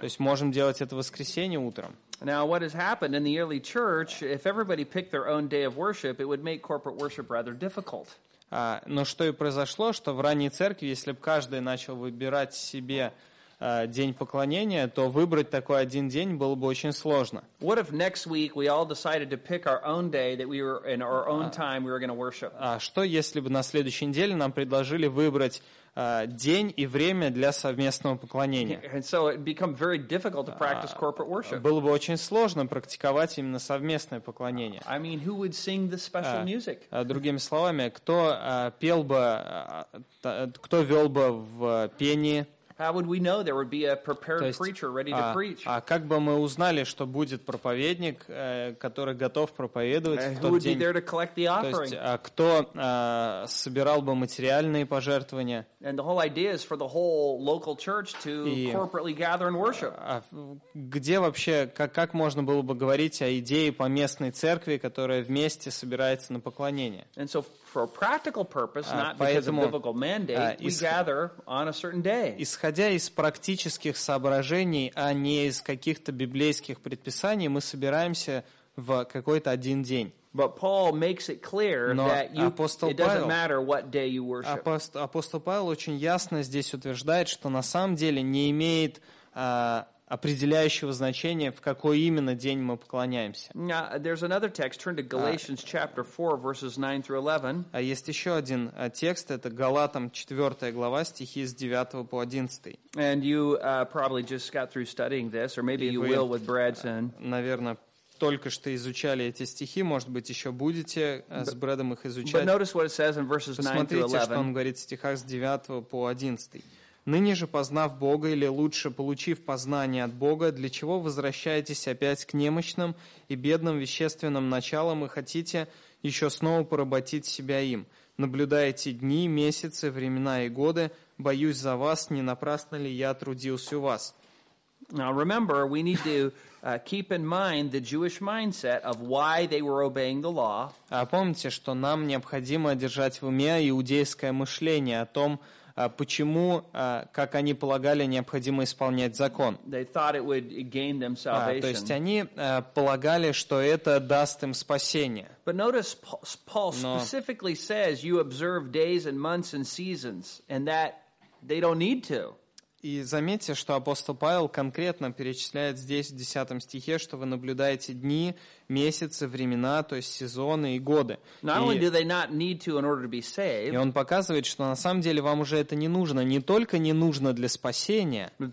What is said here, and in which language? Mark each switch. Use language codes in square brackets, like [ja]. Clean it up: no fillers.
[ru] То есть можем делать это в воскресенье утром. [en] Now, what has happened in the early church? If everybody picked their own day of worship, it would make corporate worship rather difficult. [ru] Но что и произошло, что в ранней церкви, если бы каждый начал выбирать себе день поклонения, то выбрать такой один день было бы очень сложно. [en] What if next week we all decided to pick our own day that we were in our own time we were going to worship? [ru] Что если бы на следующей неделе нам предложили выбрать день и время для совместного поклонения. [en] And so it became very difficult to practice corporate worship. [ru] Было бы очень сложно практиковать именно совместное поклонение. [en] I mean, who would sing the special music? [ru] Другими словами, кто пел бы, кто вел бы в пении? [en] How would we know there would be a prepared preacher ready to preach? [ru] А как бы мы узнали, что будет проповедник, который готов проповедовать в тот день? [en] Who would be there to collect the offering? [ru] То есть, кто собирал бы материальные пожертвования? [en] And the whole idea is for the whole local church to corporately gather and worship. [ru] Где вообще, как можно было бы говорить о идее поместной церкви, которая вместе собирается на поклонение? [en] And so for a practical purpose, not because of biblical mandate, we gather on a certain day. [ru] Исходя из практических соображений, а не из каких-то библейских предписаний, мы собираемся в какой-то один день. [en] But Paul makes it clear that you, it doesn't matter what day you worship. [ru] Апостол Павел очень ясно здесь утверждает, что на самом деле не имеет определяющего значения, в какой именно день мы поклоняемся. [en] Now, there's another text. Turn to Galatians chapter 4, verses 9 through 11. [ru] А есть еще один текст. Это Галатам 4 глава, стихи с 9 по 11. [en] And you probably just got through studying this, or maybe you will with Bradson. [ru] Наверное, только что изучали эти стихи, может быть, еще будете с Брэдом их изучать. [en] But notice what it says in verses 9 through 11. [ru] Посмотрите, что он говорит в стихах с 9 по 11. «Ныне же, познав Бога, или лучше, получив познание от Бога, для чего возвращаетесь опять к немощным и бедным вещественным началам и хотите еще снова поработить себя им? Наблюдаете дни, месяцы, времена и годы, боюсь за вас, не напрасно ли я трудился у вас?» [en] Now remember, we need to keep in mind the Jewish mindset of why they were obeying the law. [ru] А помните, что нам необходимо держать в уме иудейское мышление о том, почему, как они полагали, необходимо исполнять закон. [en] They thought it would gain them salvation. [ru] То есть они полагали, что это даст им спасение. [en] But notice Paul specifically says you observe days and months and seasons, and that they don't need to. [ru] И заметьте, что апостол Павел конкретно перечисляет здесь, в 10 стихе, что вы наблюдаете дни, месяцы, времена, то есть сезоны и годы. И он показывает, что на самом деле вам уже это не нужно. Не только не нужно для спасения,